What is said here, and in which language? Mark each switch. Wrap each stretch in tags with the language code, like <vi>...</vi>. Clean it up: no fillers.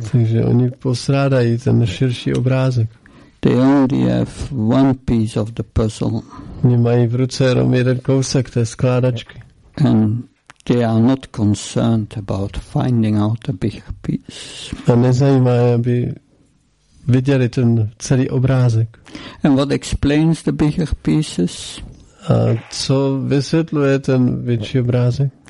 <cs>Takže oni posrádají ten širší obrázek.</cs> <en>They only have one piece of the puzzle.</en> <cs>Oni mají v ruce jenom jeden kousek té skládačky.</cs> <en>And they are not concerned about finding out the bigger piece.</en> <cs>A nezajímá je, aby viděli ten celý obrázek.</cs> <en>And what explains the bigger pieces?</en> <cs>A co vysvětluje ten větší obrázek?</cs>